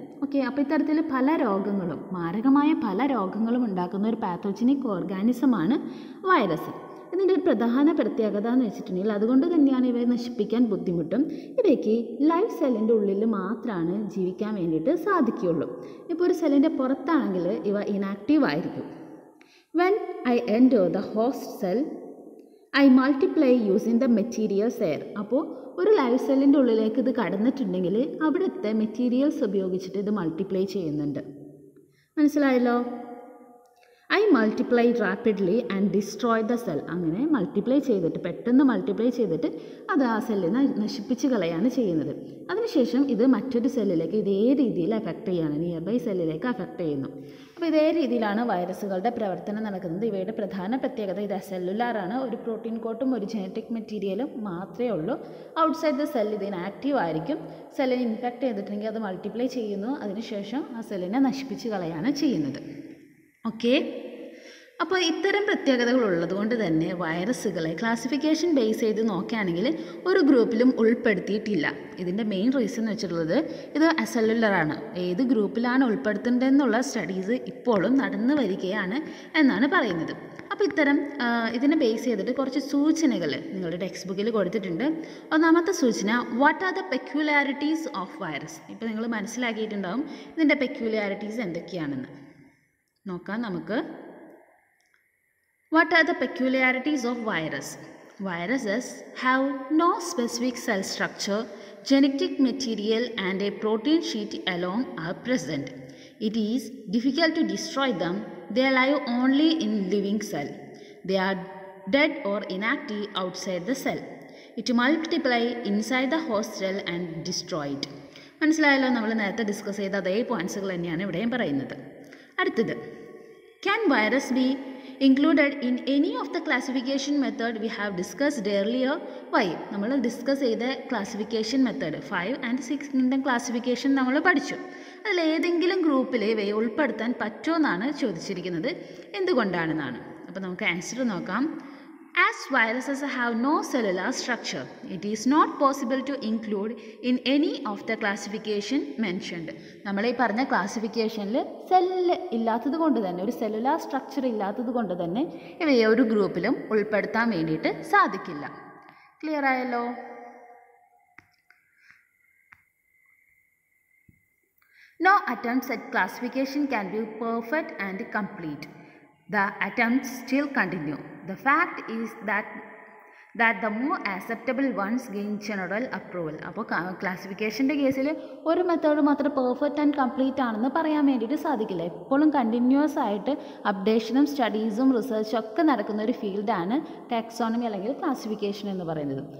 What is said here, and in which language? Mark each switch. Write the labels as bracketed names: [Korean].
[Malayalam] Okay, അപ്പോൾ ഇത്തരത്തിൽ പല രോഗങ്ങളും, മാരകമായ പല രോഗങ്ങളും ഉണ്ടാക്കുന്ന ഒരു പാത്തോജനിക് ഓർഗാനിസമാണ് വൈറസ്. ഇതിൻ്റെ ഒരു പ്രധാന പ്രത്യേകത എന്ന് വെച്ചിട്ടുണ്ടെങ്കിൽ അതുകൊണ്ട് തന്നെയാണ് ഇവയെ നശിപ്പിക്കാൻ ബുദ്ധിമുട്ടും. ഇവയ്ക്ക് ലൈവ് സെല്ലിൻ്റെ ഉള്ളിൽ മാത്രമാണ് ജീവിക്കാൻ വേണ്ടിയിട്ട് സാധിക്കുകയുള്ളൂ. ഇപ്പോൾ ഒരു സെല്ലിൻ്റെ പുറത്താണെങ്കിൽ ഇവ ഇനാക്റ്റീവ് ആയിരിക്കും. [English] When I enter the host cell, I multiply using the materials there. [Malayalam] അപ്പോൾ ഒരു ലൈവ് സെല്ലിൻ്റെ ഉള്ളിലേക്ക് ഇത് കടന്നിട്ടുണ്ടെങ്കിൽ അവിടുത്തെ മെറ്റീരിയൽസ് ഉപയോഗിച്ചിട്ട് ഇത് മൾട്ടിപ്ലൈ ചെയ്യുന്നുണ്ട്. മനസ്സിലായല്ലോ? [English] I multiply rapidly and destroy the cell. [Malayalam] അങ്ങനെ മൾട്ടിപ്ലൈ ചെയ്തിട്ട്, പെട്ടെന്ന് മൾട്ടിപ്ലൈ ചെയ്തിട്ട് അത് ആ സെല്ലിൽ നിന്ന് നശിപ്പിച്ച് കളയാണ് ചെയ്യുന്നത്. അതിനുശേഷം ഇത് മറ്റൊരു സെല്ലിലേക്ക് ഇതേ രീതിയിൽ എഫക്റ്റ് ചെയ്യാണ്, നിയർ ബൈ സെല്ലിലേക്ക് എഫക്റ്റ് ചെയ്യുന്നു. അപ്പോൾ ഇതേ രീതിയിലാണ് വൈറസുകളുടെ പ്രവർത്തനം നടക്കുന്നത്. ഇവയുടെ പ്രധാന പ്രത്യേകത ഇത് SLLR ആണ്, ഒരു പ്രോട്ടീൻ കോട്ടും ഒരു ജനറ്റിക് മെറ്റീരിയലും മാത്രമേ ഉള്ളൂ. [English] outside the cell [Malayalam] ഇത് ഇനാക്റ്റീവ് ആയിരിക്കും. സെല്ലിനെ ഇൻഫെക്റ്റ് ചെയ്തിട്ടുണ്ടെങ്കിൽ അത് മൾട്ടിപ്ലൈ ചെയ്യുന്നു, അതിനുശേഷം ആ സെല്ലിനെ നശിപ്പിച്ച് കളയാണ് ചെയ്യുന്നത്. ഓക്കെ, അപ്പോൾ ഇത്തരം പ്രത്യേകതകളുള്ളത് കൊണ്ട് തന്നെ വൈറസുകളെ ക്ലാസിഫിക്കേഷൻ ബേസ് ചെയ്ത് നോക്കുകയാണെങ്കിൽ ഒരു ഗ്രൂപ്പിലും ഉൾപ്പെടുത്തിയിട്ടില്ല. ഇതിൻ്റെ മെയിൻ റീസൺ എന്ന് വെച്ചിട്ടുള്ളത് ഇത് SLLR ആണ്. ഏത് ഗ്രൂപ്പിലാണ് ഉൾപ്പെടുത്തേണ്ടതെന്നുള്ള സ്റ്റഡീസ് ഇപ്പോഴും നടന്നു വരികയാണ് എന്നാണ് പറയുന്നത്. അപ്പോൾ ഇത്തരം ഇതിനെ ബേസ് ചെയ്തിട്ട് കുറച്ച് സൂചനകൾ നിങ്ങളുടെ ടെക്സ്റ്റ് ബുക്കിൽ കൊടുത്തിട്ടുണ്ട്. ഒന്നാമത്തെ സൂചന, [English] What are the peculiarities of virus. [Malayalam] ഇപ്പോൾ നിങ്ങൾ മനസ്സിലാക്കിയിട്ടുണ്ടാവും ഇതിൻ്റെ പെക്യുലാരിറ്റീസ് എന്തൊക്കെയാണെന്ന് നോക്കാം നമുക്ക്. [English] What are the peculiarities of virus? Viruses have no specific cell structure, genetic material and a protein sheet along are present. It is difficult to destroy them. They live only in living cell. They are dead or inactive outside the cell. It multiply inside the host cell and destroy it. [Malayalam] മനസ്സിലായല്ലോ? നമ്മൾ നേരത്തെ discuss ചെയ്ത അതേ പോയിന്റ്സുകൾ തന്നെയാണ് ഇവിടെയും പറയുന്നത്. അടുത്തത്, [English] Can virus be included in any of the classification method we have discussed earlier? Why? [Malayalam] നമ്മൾ ഡിസ്കസ് ചെയ്ത classification method 5 and 6 kingdom classification നമ്മൾ പഠിച്ചു. അതിലേതെങ്കിലും ഗ്രൂപ്പിൽ ഇവയെ ഉൾപ്പെടുത്താൻ പറ്റുമെന്നാണ് ചോദിച്ചിരിക്കുന്നത്. എന്തുകൊണ്ടാണെന്നാണ്. അപ്പോൾ നമുക്ക് ആൻസർ നോക്കാം. [English] As viruses have no cellular structure, it is not possible to include in any of the classification mentioned. [Malayalam] നമ്മളീ പറഞ്ഞ ക്ലാസിഫിക്കേഷനിൽ സെല്ല് ഇല്ലാത്തത് കൊണ്ട് തന്നെ, ഒരു സെല്ലുലാർ സ്ട്രക്ചർ ഇല്ലാത്തത് കൊണ്ട് തന്നെ ഇവയെ ഒരു ഗ്രൂപ്പിലും ഉൾപ്പെടുത്താൻ വേണ്ടിയിട്ട് സാധിക്കില്ല. ക്ലിയർ ആയല്ലോ? [English] No attempts at classification can be perfect and complete. The attempts still continue. The fact is that that the more acceptable ones gain general approval. [Malayalam] അപ്പോൾ ക്ലാസിഫിക്കേഷൻ്റെ കേസിൽ ഒരു മെത്തേഡ് മാത്രം [English] perfect and complete [Malayalam] ആണെന്ന് പറയാൻ വേണ്ടിയിട്ട് സാധിക്കില്ല. എപ്പോഴും കണ്ടിന്യൂസ് ആയിട്ട് അപ്ഡേഷനും സ്റ്റഡീസും റിസർച്ചും ഒക്കെ നടക്കുന്ന ഒരു ഫീൽഡാണ് ടാക്സോണമി അല്ലെങ്കിൽ ക്ലാസിഫിക്കേഷൻ എന്ന് പറയുന്നത്.